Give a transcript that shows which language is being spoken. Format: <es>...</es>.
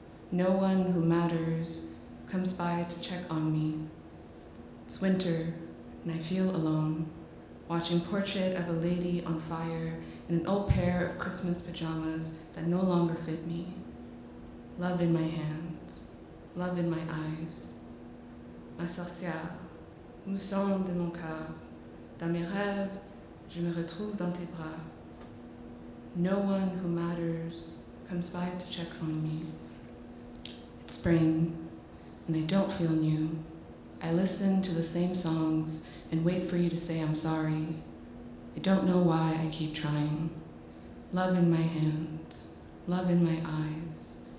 <en>No one who matters comes by to check on me. It's winter and I feel alone, watching portrait of a lady on fire in an old pair of Christmas pajamas that no longer fit me. Love in my hands, love in my eyes.</en> <fr>Ma sorcière, mousson de mon cœur, dans mes rêves, je me retrouve dans tes bras.</fr> <en>No one who matters comes by to check on me. It's spring, and I don't feel new. I listen to the same songs and wait for you to say I'm sorry. I don't know why I keep trying. Love in my hands, love in my eyes.</en>